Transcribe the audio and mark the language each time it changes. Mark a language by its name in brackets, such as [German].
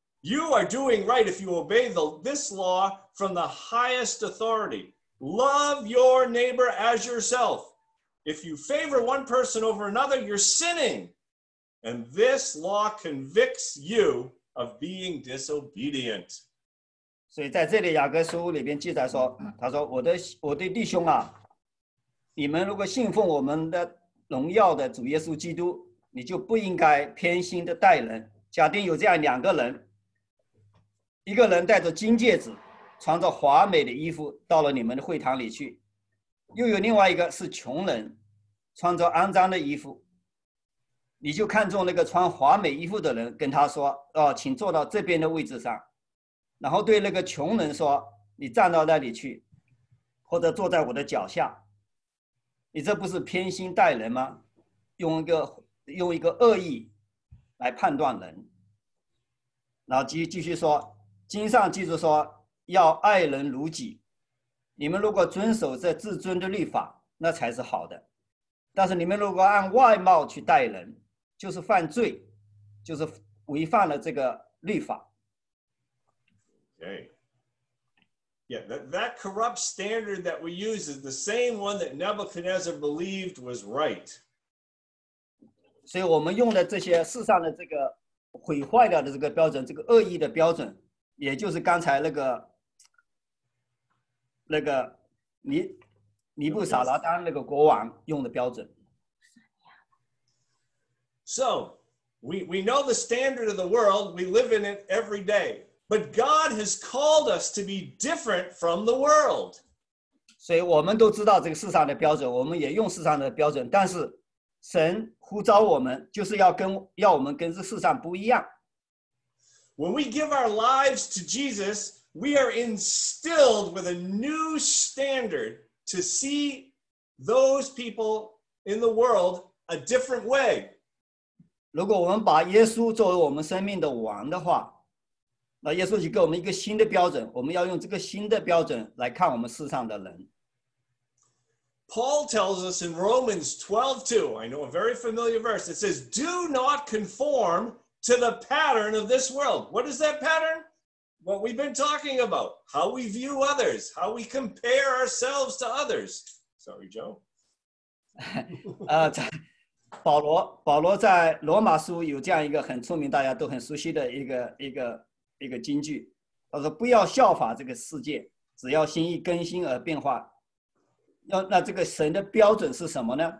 [English] You are doing right if you obey this law from the highest authority. Love your neighbor as yourself. If you favor one person over another, you're sinning. And this law convicts you of being disobedient. [Chinese] 所以在这里雅各书里边记载说，他说我的弟兄啊，你们如果信奉我们的荣耀的主耶稣基督，你就不应该偏心的待人。假定有这样两个人，一个人带着金戒指，穿着华美的衣服到了你们的会堂里去，又有另外一个是穷人，穿着肮脏的衣服，你就看中那个穿华美衣服的人，跟他说，哦，请坐到这边的位置上，然后对那个穷人说，你站到那里去，或者坐在我的脚下，你这不是偏心待人吗？用一个恶意来判断人。然后继续说，经上记着说，要爱人如己，你们如果遵守这至尊的律法，那才是好的。但是你们如果按外貌去待人，就是犯罪，就是违反了这个律法。 [English] Okay. Yeah, that corrupt standard that we use is the same one that Nebuchadnezzar believed was right. [Chinese] 所以我们用的这些世上的这个毁坏掉的这个标准，这个恶意的标准，也就是刚才那个尼布撒拉丹那个国王用的标准。 [English] So, we know the standard of the world, we live in it every day. But God has called us to be different from the world. [Chinese] 所以我们都知道这个世上的标准，我们也用世上的标准，但是神呼召我们，就是要我们跟这世上不一样。 [English] When we give our lives to Jesus, we are instilled with a new standard to see those people in the world a different way. [Chinese] 如果我们把耶稣作为我们生命的王的话，那耶稣就给我们一个新的标准，我们要用这个新的标准来看我们世上的人。 [English] Paul tells us in Romans 12:2, I know a very familiar verse, it says, do not conform to the pattern of this world. What is that pattern? What we've been talking about, how we view others, how we compare ourselves to others. Sorry, Joe. [Chinese] 保罗在罗马书有这样一个很出名，大家都很熟悉的一个金句，他说不要效法这个世界，只要心意更新而变化。那这个神的标准是什么呢？